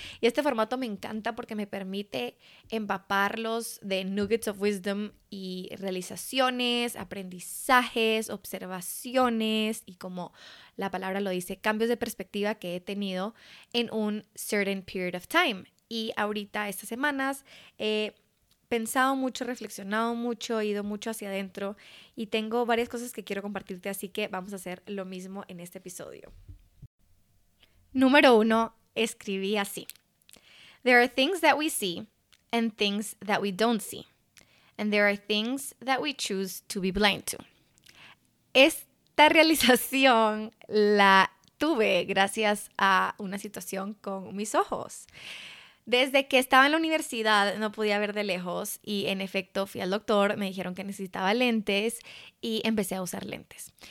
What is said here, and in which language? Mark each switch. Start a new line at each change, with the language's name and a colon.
Spanish: Y este formato me encanta porque me permite empaparlos de
English: nuggets of wisdom
Spanish: y realizaciones, aprendizajes, observaciones y, como la palabra lo dice, cambios de perspectiva que he tenido en un
English: certain period of time.
Spanish: Y ahorita, estas semanas, pensado mucho, reflexionado mucho, ido mucho hacia adentro y tengo varias cosas que quiero compartirte, así que vamos a hacer lo mismo en este episodio. Número uno, escribí así:
English: There are things that we see and things that we don't see, and there are things that we choose to be blind to.
Spanish: Esta realización la tuve gracias a una situación con mis ojos. Desde que estaba en la universidad no podía ver de lejos y en efecto fui al doctor, me dijeron que necesitaba lentes y empecé a usar lentes.